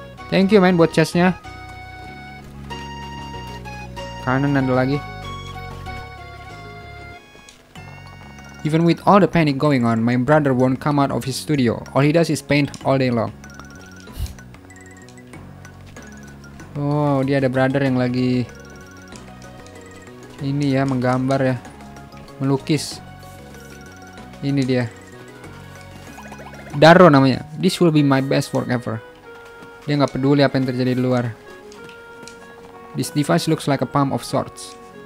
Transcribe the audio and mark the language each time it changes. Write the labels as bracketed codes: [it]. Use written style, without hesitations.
[en] Thank you man [id] buat chestnya. Kanan ada lagi. [en] Even with all the panic going on, my brother won't come out of his studio. All he does is paint all day long. [id] Oh, dia ada brother yang lagi ini ya, menggambar ya, melukis. Ini dia Daro namanya. [en] This will be my best work ever. [id] Dia gak peduli apa yang terjadi di luar. [en] This device looks like a pump of sorts.